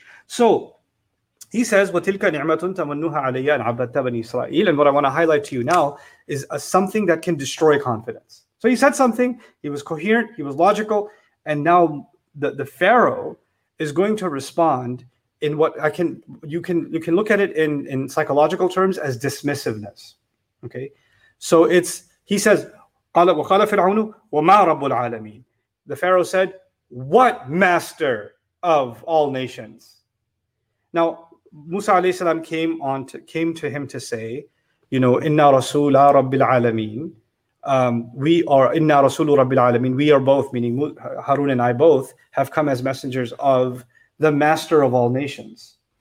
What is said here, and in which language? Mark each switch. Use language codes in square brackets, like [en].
[en] So he says, [ar] وَتِلْكَ نِعْمَةٌ تَمَنُّهَا عَلَيَّا أَنْ عَبَّدْتَ بَنِي إِسْرَائِيلَ. [en] And what I want to highlight to you now is a something that can destroy confidence. So he said something, he was coherent, he was logical, and now the Pharaoh is going to respond in what I can, you can look at it in psychological terms as dismissiveness. Okay. So it's, he says, [ar] قَالَ وَقَالَ فِرْعَوْنُ وَمَا رَبُّ الْعَالَمِينَ. [en] The Pharaoh said, what master of all nations? Now, Musa alayhi salam came to him to say, you know, [ar] inna rasula rabbil alameen. [en] We are [ar] inna rasulu rabbil alameen. [en] We are both, meaning Harun and I both, have come as messengers of the master of all nations.